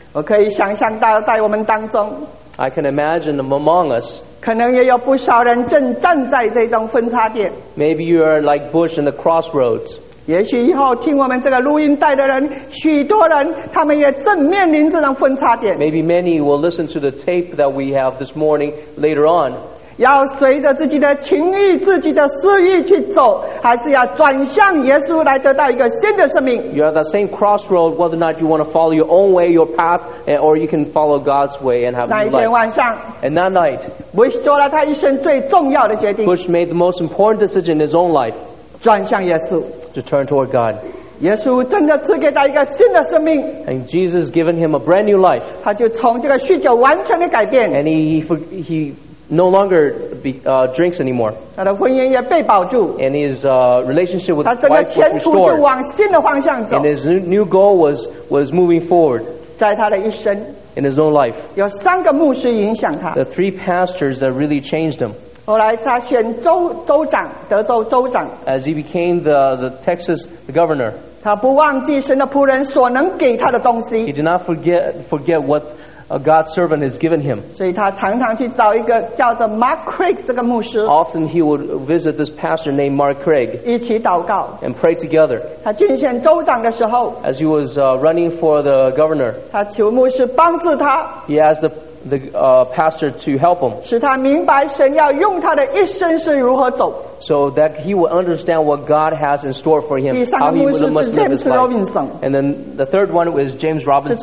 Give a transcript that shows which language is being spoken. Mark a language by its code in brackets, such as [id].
[zh] 我可以想象到在我们当中。 [en] I can imagine among us. [zh] 可能也有不少人正站在这种分叉点。 [en] Maybe you are like Bush in the crossroads. [zh] 也许以后听我们这个录音带的人，许多人他们也正面临这种分叉点。 [en] Maybe many will listen to the tape that we have this morning later on. [zh] 要随着自己的情欲、自己的私欲去走，还是要转向耶稣来得到一个新的生命 [en] ？You are the same crossroad. Whether or not you want to follow your own way, your path, or you can follow God's way and have a new life. [zh] 那一天晚上 [en] ，And that night, [zh] Bush 做了他一生最重要的决定。 [en] Bush made the most important decision in his own life. [zh] 转向耶稣 [en] to turn toward God. [zh] 耶稣真的赐给他一个新的生命 [en] and Jesus given him a brand new life. [zh] 他就从这个酗酒完全的改变 [en] and he no longer drinks anymore. [zh] 他的婚姻也被保住 [en] and his relationship with wife [zh] 他整个前途就往新的方向走 [en] and his new goal was moving forward. [zh] 在他的一生 [en] in his own life. [zh] 有三个牧师影响他 [en] the three pastors that really changed him. [zh] 后来他选州长，德州州长。 [en] As he became the Texas the governor， [zh] 他不忘记神的仆人所能给他的东西。 [en] He did not forget what a God's servant has given him。 [zh] 所以他常常去找一个叫做 Mark Craig 这个牧师。 [en] Often he would visit this pastor named Mark Craig。 [zh] 一起祷告。 [en] And pray together。 [zh] 他竞选州长的时候 [en] ，As he was running for the governor， [zh] 他求牧师帮助他。 [en] He asked the pastor to help him. [zh] 使他明白神要用他的一生是如何走。 [en] So that he will understand what God has in store for him. [zh] 第三个牧师是 James Robinson. [en] And then the third one was James Robinson.